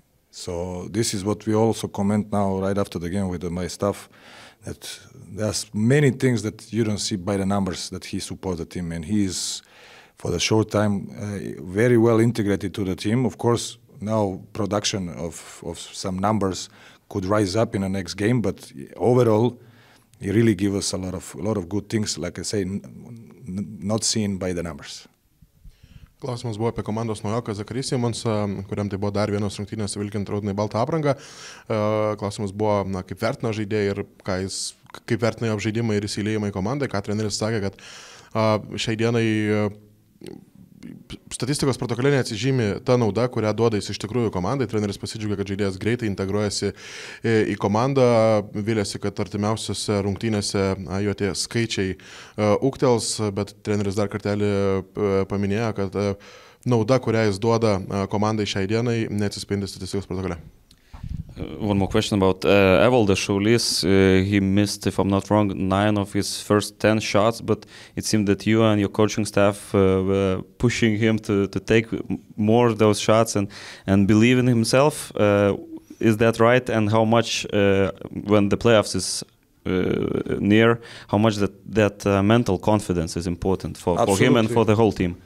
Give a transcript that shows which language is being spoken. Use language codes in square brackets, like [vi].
[en] So this is what we also comment now right after the game with my staff, that there's many things that you don't see by the numbers that he supports the team, and he is for the short time very well integrated to the team. Of course, now production of some numbers could rise up in the next game, but overall he really gives us a lot of good things, like I say, not seen by the numbers. [lt] Klausimas buvo apie komandos naujoką Zachary Simmons, kuriam tai buvo dar vienas rungtynės vilkint raudonai baltą aprangą. Klausimas buvo, na, kaip vertina žaidėjai ir kaip vertina jo žaidimą ir įsiliejimą į komandą. Ką treneris sakė, kad šiai dienai statistikos protokole neatsižymi ta nauda, kurią duoda jis iš tikrųjų komandai. Treneris pasidžiaugė, kad žaidėjas greitai integruojasi į komandą, vilėsi, kad artimiausiose rungtynėse jo tie skaičiai ūktels, bet treneris dar kartelį paminėjo, kad nauda, kurią jis duoda komandai šiai dienai, neatsispindi statistikos protokole. [en] One more question about Evalda Šaulys. He missed, if I'm not wrong, 9 of his first 10 shots, but it seemed that you and your coaching staff were pushing him to take more of those shots and believe in himself. Is that right? And how much, when the playoffs is near, how much that mental confidence is important for him and for the whole team?